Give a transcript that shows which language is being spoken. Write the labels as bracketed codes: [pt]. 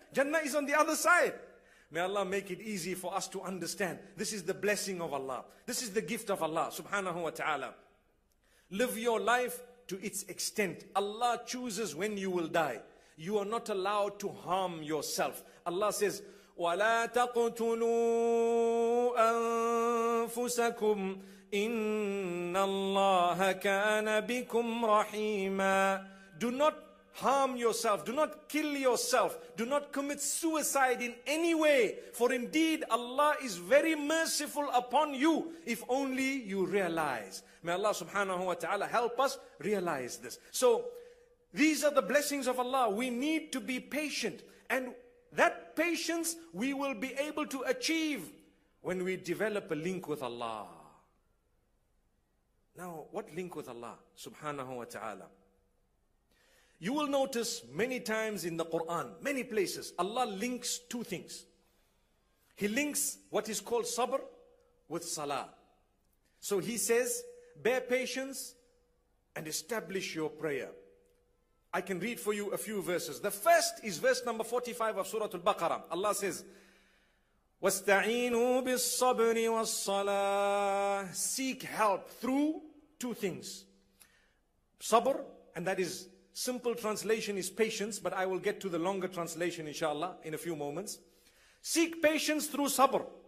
[en] Jannah is on the other side. May Allah make it easy for us to understand. This is the blessing of Allah. This is the gift of Allah subhanahu wa ta'ala. Live your life to its extent. Allah chooses when you will die. You are not allowed to harm yourself. Allah says, [ar] وَلَا تَقْتُلُوا أَنفُسَكُمْ إِنَّ اللَّهَ كَانَ بِكُمْ رَحِيمًا. [en] Do not harm yourself. Do not kill yourself. Do not commit suicide in any way. For indeed, Allah is very merciful upon you. If only you realize. May Allah subhanahu wa ta'ala help us realize this. So, these are the blessings of Allah. We need to be patient. And that patience we will be able to achieve when we develop a link with Allah. Now, what link with Allah subhanahu wa ta'ala? You will notice many times in the Quran, many places, Allah links two things. He links what is called sabr with salah. So He says, bear patience and establish your prayer. I can read for you a few verses. The first is verse number 45 of Surah Al-Baqarah. Allah says, [ar] وَاسْتَعِينُوا بِالصَّبْرِ وَالصَّلَاةِ. [en] Seek help through two things. Sabr, and that is simple translation is patience, but I will get to the longer translation inshallah in a few moments. Seek patience through sabr.